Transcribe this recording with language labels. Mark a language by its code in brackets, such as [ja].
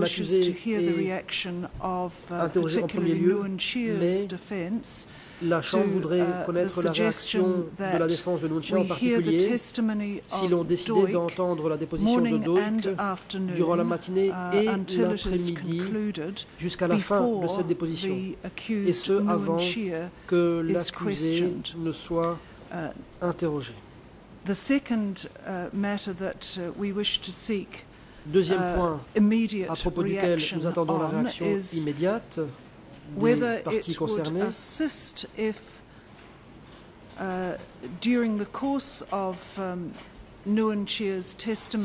[en] wishes to hear the reaction of particularly Nguyen Chia's defense. [fr] La Chambre voudrait connaître la réaction de la défense de Nguyen Chia en particulier si l'on décidait d'entendre la déposition de Doik durant la matinée et l'après-midi jusqu'à la fin de cette déposition et ce avant que l'accusé ne soit interrogé. [en] The second matter that we wish to seek, [fr] deuxième point à propos duquel nous attendons la réaction immédiate [en] whether it [fr] concernées. [en] Would assist if during the course of Nguyen Chia's testimony